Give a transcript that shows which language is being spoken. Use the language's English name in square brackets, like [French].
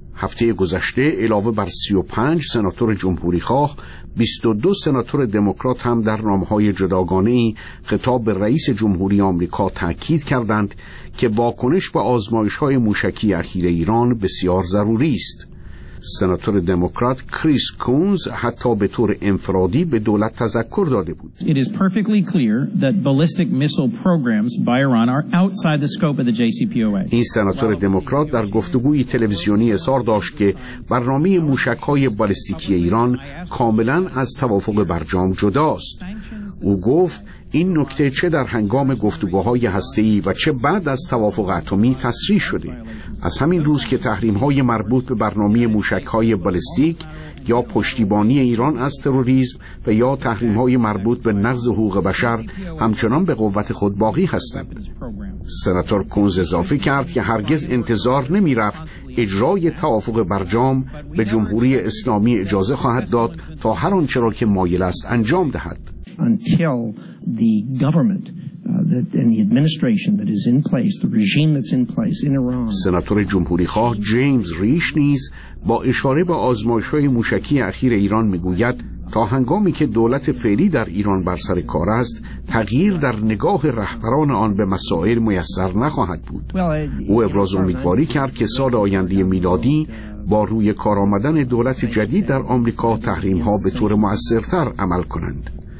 [Persian] هفته گذشته علاوه بر 35 سناتور جمهوری خواه 22 سناتور دموکرات هم در نامه‌های جداگانه خطاب به رئیس جمهوری آمریکا تأکید کردند که واکنش به آزمایش‌های موشکی اخیر ایران بسیار ضروری است. سناتور دموکرات کریس کونز حتی به طور انفرادی به دولت تذکر داده بود. [English] It is perfectly clear that ballistic missile programs by Iran are outside the scope of the JCPOA. [Persian] این سناتور دموکرات در گفتگوی تلویزیونی اظهار داشت که برنامه موشک‌های بالستیکی ایران کاملاً از توافق برجام جداست. او گفت این نکته چه در هنگام گفتگوهای هسته‌ای و چه بعد از توافق اتمی تصریح شده. از همین روز که تحریم‌های مربوط به برنامه موشک‌های بالستیک یا پشتیبانی ایران از تروریسم و یا تحریم‌های مربوط به نقض حقوق بشر همچنان به قوت خود باقی هستند. سناتور کونز اضافه کرد که هرگز انتظار نمی‌رفت اجرای توافق برجام به جمهوری اسلامی اجازه خواهد داد تا هر آنچه را که مایل است انجام دهد. [English] Until the government and the administration that is in place, the regime that's in place in Iran. [Persian] سناتور جمهوری خواه جیمز ریش نیز با اشاره به آزمایش‌های موشکی اخیر ایران می‌گوید تا هنگامی که دولت فعلی در ایران بر سر کار است، تغییر در نگاه رهبران آن به مسائل میسر نخواهد بود. او ابراز امیدواری کرد که سال آینده میلادی با روی کار آمدن دولت جدید در آمریکا تحریم‌ها به طور مؤثرتر عمل کنند.